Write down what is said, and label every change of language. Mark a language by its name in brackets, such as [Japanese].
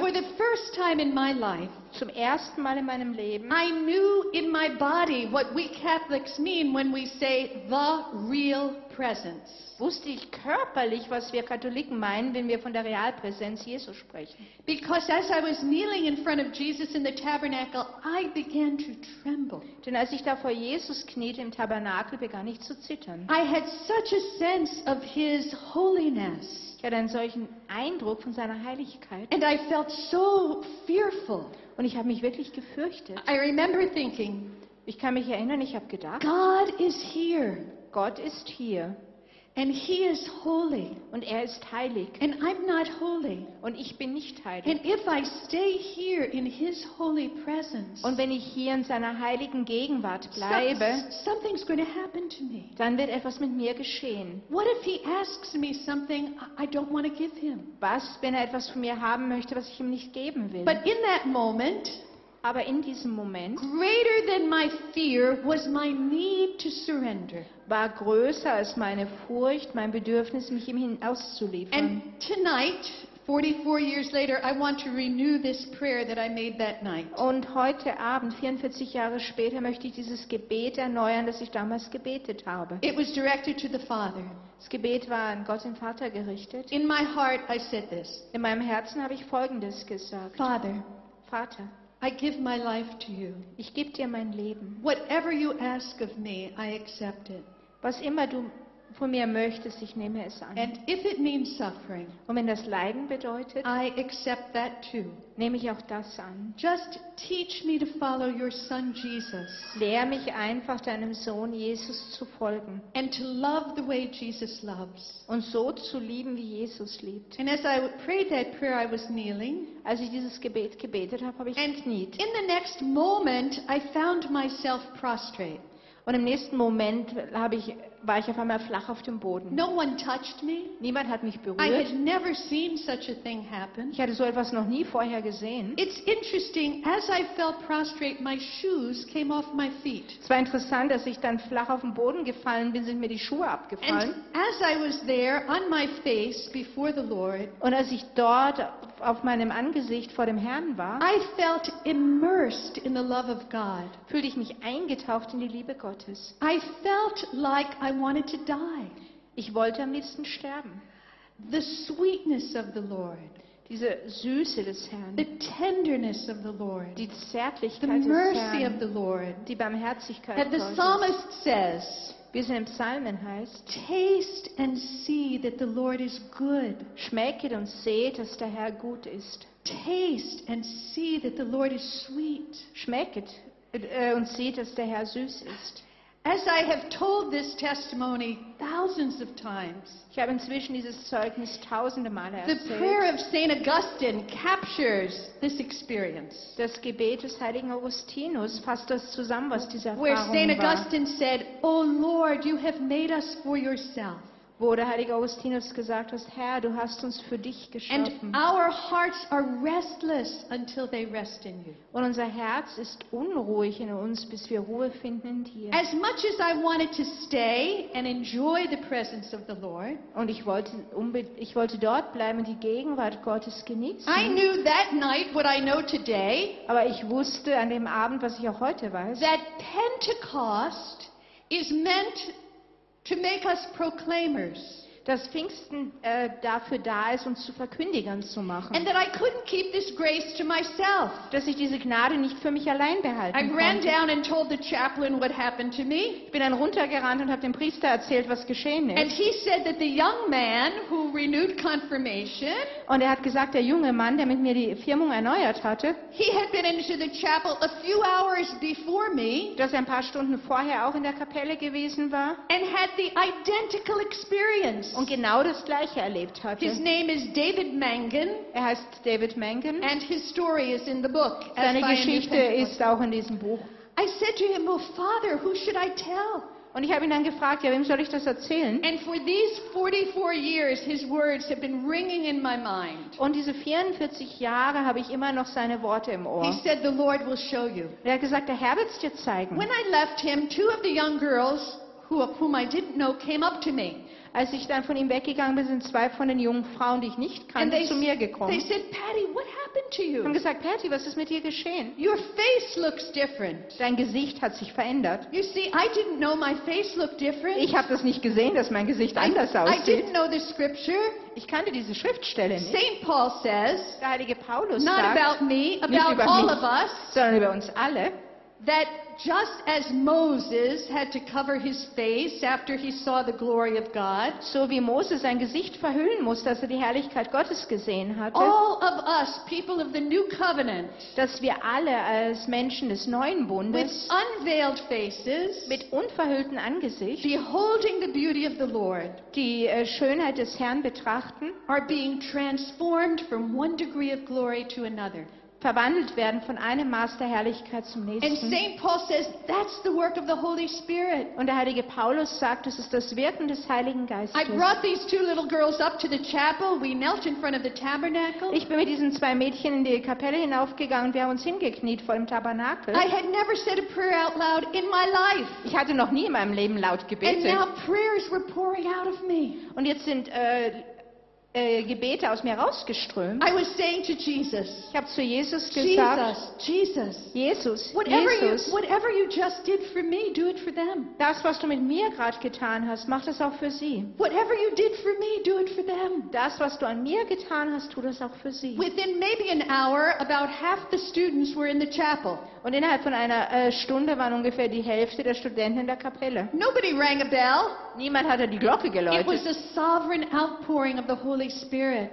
[English] for the first time in my life, [German] zum ersten Mal in meinem Leben, [English] I knew in my body what we Catholics mean when we say the real presence. [German] Wusste ich körperlich, was wir Katholiken meinen, wenn wir von der Realpräsenz Jesu sprechen. [English] Because as I was kneeling in front of Jesus in the tabernacle, I began to tremble. [German] Denn als ich da vor Jesus kniete im Tabernakel, begann ich zu zittern. [English] I had such a sense of his holiness. [German] Ich hatte einen solchen Eindruck von seiner Heiligkeit. [English] And I felt so fearful. [German] Und ich habe mich wirklich gefürchtet. [English] I remember thinking, [German] ich kann mich erinnern, ich habe gedacht, [English] God is here. [German] Gott ist hier. [English] And he is holy. [German] Und er ist heilig. [English] And I'm not holy. [German] Und ich bin nicht heilig. [English] And if I stay here in his holy presence, [German] und wenn ich hier in seiner heiligen Gegenwart bleibe, [English] something's going to happen to me. [German] Dann wird etwas mit mir geschehen. [English] What if he asks me something I don't want to give him? [German] Was, wenn er etwas von mir haben möchte, was ich ihm nicht geben will? [English] But in that moment, [German] aber in diesem Moment, [English] greater than my fear was my need to surrender. [German] War größer als meine Furcht, mein Bedürfnis, mich ihm auszuliefern. [English] And tonight, 44 years later, I want to renew this prayer that I made that night. [German] Und heute Abend, 44 Jahre später, möchte ich dieses Gebet erneuern, das ich damals gebetet habe. [English] It was directed to the Father. [German] Das Gebet war an Gott, den Vater, gerichtet. [English] In my heart, I said this. [German] In meinem Herzen habe ich Folgendes gesagt. [English] Father. [German] Vater. [English] I give my life to you. [German] Ich gebe dir mein Leben. [English] Whatever you ask of me, I accept it. [German] Was immer du von mir möchtest, ich nehme es an. [English] And if it means suffering, [German] und wenn das Leiden bedeutet, [English] I accept that too. [German] Nehme ich auch das an. [English] Just teach me to follow your son Jesus. [German] Lehr mich einfach, deinem Sohn Jesus zu folgen. [English] And to love the way Jesus loves. [German] Und so zu lieben, wie Jesus liebt. [English] And as I prayed that prayer, I was kneeling. [German] Als ich dieses Gebet gebetet habe, habe ich gekniet. [English] In the next moment, I found myself prostrate. [German] Und im nächsten Moment war ich auf einmal flach auf dem Boden. [English] No one touched me. [German] Niemand hat mich berührt. [English] I had never seen such a thing happen. [German] Ich hatte so etwas noch nie vorher gesehen. [English] It's interesting, as I fell prostrate, my shoes came off my feet. [German] Es war interessant, dass ich dann flach auf den Boden gefallen bin, sind mir die Schuhe abgefallen. [English] And as I was there on my face before the Lord, [German] und als ich dort auf meinem Angesicht vor dem Herrn war, [English] I felt immersed in the love of God. [German] Fühlte ich mich eingetaucht in die Liebe Gottes. [English] I felt like I wanted to die. [German] Ich wollte am liebsten sterben. [English] The sweetness of the Lord. [German] Diese Süße des Herrn. [English] The tenderness of the Lord. [German] Die Zärtlichkeit [English] The mercy of the Lord. [German] Die Barmherzigkeit Gottes. [English] And the psalmist says, [German] wie es in den Psalmen heißt, [English] taste and see that the Lord is good. [German] Schmecket und seht, dass der Herr gut ist. [English] Taste and see that the Lord is sweet. [German] Schmecket und seht, dass der Herr süß ist. [English] As I have told this testimony thousands of times, [German] ich habe inzwischen dieses Zeugnis tausende Male erzählt. [English] The prayer of St. Augustine captures this experience. [German] Das Gebet des heiligen Augustinus fasst das zusammen, was diese Erfahrung [English] where St. Augustine [German] war. [English] Said, O Lord, you have made us for yourself. [German] Wo der heilige Augustinus gesagt hat, Herr, du hast uns für dich geschaffen. [English] And our hearts are restless until they rest in you. [German] Und unser Herz ist unruhig in uns, bis wir Ruhe finden in dir. [English] As much as I wanted to stay and enjoy the presence of the Lord, [German] und ich wollte dort bleiben und die Gegenwart Gottes genießen. [English] I knew that night what I know today, [German] aber ich wusste an dem Abend, was ich auch heute weiß, [English] that Pentecost is meant to make us proclaimers. [German] Dass Pfingsten dafür da ist, uns zu Verkündigern zu machen. [English] And that I couldn't keep this grace to myself. [German] Dass ich diese Gnade nicht für mich allein behalten konnte. [English] I ran down and told the chaplain what happened to me. [German] Ich bin dann runtergerannt und habe dem Priester erzählt, was geschehen ist. [English] And he said that the young man who renewed confirmation, [German] und er hat gesagt, der junge Mann, der mit mir die Firmung erneuert hatte, [English] he had been into the chapel a few hours before me, [German] dass er ein paar Stunden vorher auch in der Kapelle gewesen war, [English] and had the identical experience. [German] Und genau das Gleiche erlebt hatte. [English] His name is David Mangan. [German] Er heißt David Mangan. [English] And his story is in the book. [German] Seine Geschichte ist auch in diesem Buch. [English] I said to him, "Oh, Father, who should I tell?" [German] Und ich habe ihn dann gefragt, ja, wem soll ich das erzählen? [English] And for these 44 years, his words have been ringing in my mind. [German] Und diese 44 Jahre habe ich immer noch seine Worte im Ohr. [English] He said, "The Lord will show you." [German] Er hat gesagt, der Herr wird es dir zeigen. [English] When I left him, two of the young girls, whom I didn't know, came up to me. [German] Als ich dann von ihm weggegangen bin, sind zwei von den jungen Frauen, die ich nicht kannte, zu mir gekommen. [English] They said, Patty, what happened to you? [German] Haben gesagt, Patty, was ist mit dir geschehen? [English] Your face looks different. [German] Dein Gesicht hat sich verändert. [English] You see, I didn't know my face looked different. [German] Ich habe das nicht gesehen, dass mein Gesicht anders aussieht. [English] I didn't know the scripture. [German] Ich kannte diese Schriftstelle nicht. [English] Saint Paul says, [German] der heilige Paulus [English] not [German] sagt, [English] about me, about [German] nicht über [English] all [German] mich, [English] of us, [German] sondern über uns alle, [English] that just as Moses had to cover his face after he saw the glory of God, [German] so wie Moses sein Gesicht verhüllen musste, als er die Herrlichkeit Gottes gesehen hatte, [English] all of us, people of the new covenant, [German] dass wir alle als Menschen des neuen Bundes, [English] with unveiled faces, [German] mit unverhüllten Angesicht, [English] beholding the beauty of the Lord, [German] die Schönheit des Herrn betrachten, [English] are being transformed from one degree of glory to another. [German] Verwandelt werden von einem Maß der Herrlichkeit zum nächsten. [English] And Saint Paul says, that's the work of the Holy Spirit. [German] Und der heilige Paulus sagt, das ist das Wirken des Heiligen Geistes. [English] I brought these two little girls up to the chapel. We knelt in front of the tabernacle. [German] Ich bin mit diesen zwei Mädchen in die Kapelle hinaufgegangen. Wir haben uns hingekniet vor dem Tabernakel. [English] I had never said a prayer out loud in my life. [German] Ich hatte noch nie in meinem Leben laut gebetet. [English] And now prayers were pouring out of me. [German] Und jetzt sind Gebete aus mir rausgeströmt. [English] I was saying to Jesus, [German] ich habe zu Jesus gesagt, [English] Jesus, whatever you just did for me, do it for them. [German] Das, was du mit mir gerade getan hast, mach das auch für sie. [English] Whatever you did for me, do it for them. [German] Das, was du an mir getan hast, tu das auch für sie. [English] Within maybe an hour, about half the students were in the chapel. [German] Und innerhalb von einer Stunde waren ungefähr die Hälfte der Studenten in der Kapelle. [English] Nobody rang a bell. [German] Niemand hatte die Glocke geläutet. [English] It was a sovereign outpouring of the Holy Spirit.